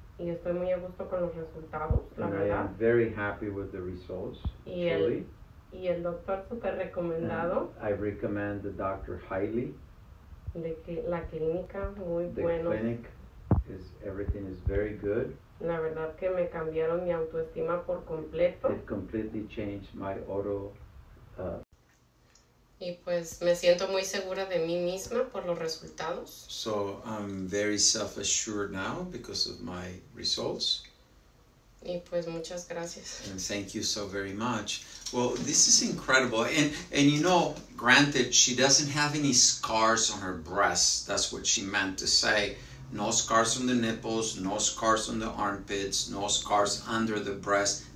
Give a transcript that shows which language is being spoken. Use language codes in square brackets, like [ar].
[es] Y estoy muy a gusto con los resultados, la verdad. [en] I am very happy with the results, truly. [es] Y el doctor super recomendado. [en] And I recommend the doctor highly. [es] De que la clínica muy [en] the [es] bueno. [en] The clinic is everything is very good. [es] La verdad que me cambiaron mi autoestima por completo. [en] It completely changed my auto. [es] Y pues me siento muy segura de mí misma por los resultados. [en] So I'm very self-assured now because of my results. [es] Y pues muchas gracias. [en] And thank you so very much. Well, this is incredible. And you know, granted, she doesn't have any scars on her breast. That's what she meant to say. No scars on the nipples, no scars on the armpits, no scars under the breast.